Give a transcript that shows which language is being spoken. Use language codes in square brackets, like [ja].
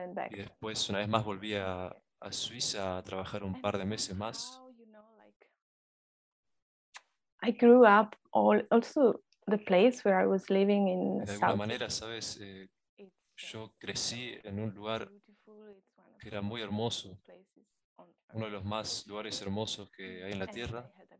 [es] Y después, una vez más, volví a Suiza a trabajar un par de meses más. [en] I grew up also the place where I was living in [es] South. De alguna manera, ¿sabes? Yo crecí en un lugar que era muy hermoso, uno de los más lugares hermosos que hay en la Tierra.